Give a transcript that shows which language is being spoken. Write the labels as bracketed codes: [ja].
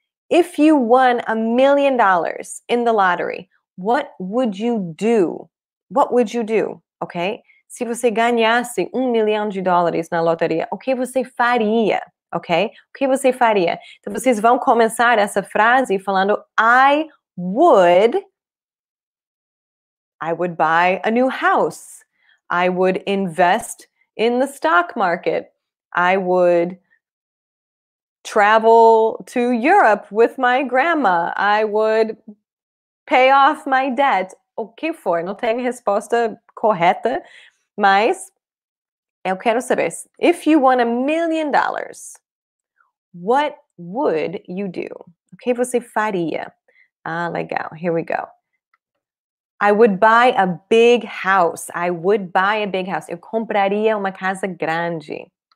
[en] If you won $1 million in the lottery, what would you do? What would you do? Ok? [pt] Se você ganhasse $1 million na loteria, o que você faria? Ok? O que você faria? Então, vocês vão começar essa frase falando [en] I would buy a new house. I would invest in the stock market. I would travel to Europe with my grandma. I would pay off my debt. [pt] O que for? Não tem resposta correta, mas eu quero saber. [en] If you won $1 million, what would you do? [pt] O que você faria? Ah, legal. [en] Here we go. I would buy a big house. I would buy a big house. [pt] Eu compraria uma casa grande.